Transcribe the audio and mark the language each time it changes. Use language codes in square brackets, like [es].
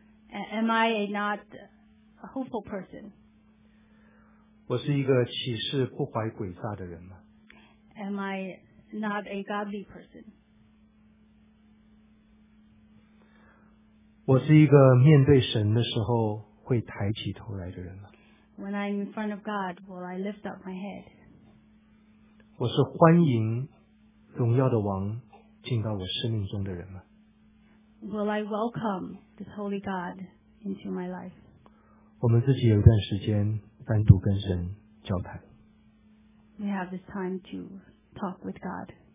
[en] Am I a not a hopeful person? [zh] 我是一个岂是不怀诡诈的人吗? [en] Am I not a godly person? [zh] 我是一个面对神的时候会抬起头来的人吗? [en] When I'm in front of God, will I lift up my head? [zh] 我是欢迎荣耀的王进到我生命中的人吗? [en] Will I welcome this holy God into my life? [zh] 我们自己有一段时间单独跟神交谈。 [en] We have this time to talk with God.